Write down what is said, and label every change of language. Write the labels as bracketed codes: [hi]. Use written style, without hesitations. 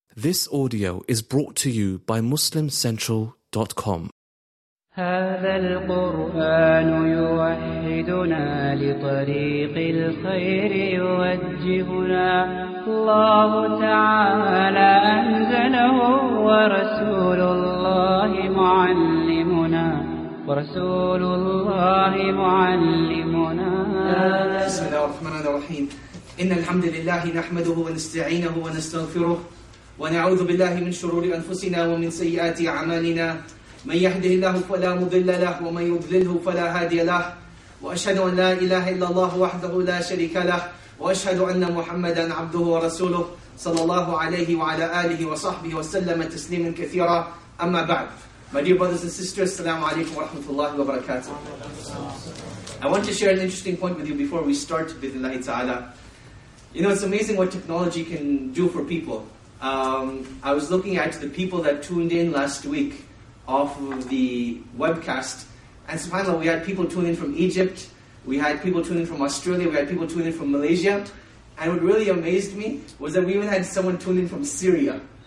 [en] This audio is brought to you by MuslimCentral.com. [ar] هذا القرآن يوحدنا لطريق الخير يوجهنا الله تعالى أنزله ورسول الله معلمنا ورسول الله معلمنا. بسم الله الرحمن الرحيم. إن الحمد لله نحمده ونستعينه ونستغفره ونعوذ بالله من شرور أنفسنا ومن سيئات أعمالنا. من يهده الله فلا مضل له ومن يضلله فلا هادي له. وأشهد أن لا إله إلا الله وحده لا شريك له وأشهد أن محمدا عبده ورسوله صلى الله عليه وعلى آله وصحبه وسلم تسليما كثيرا. أما بعد, [en] my dear brothers and sisters, [ar] السلام عليكم ورحمة الله وبركاته. [en] I want to share an interesting point with you before we start, [ar] بإذن الله تعالى. [en] You know, it's amazing what technology can do for people. I was looking at the people that tuned in last week off of the webcast, and subhanAllah, we had people tuning in from Egypt, we had people tuning in from Australia, we had people tuning in from Malaysia, and what really amazed me was that we even had someone tuning in from Syria.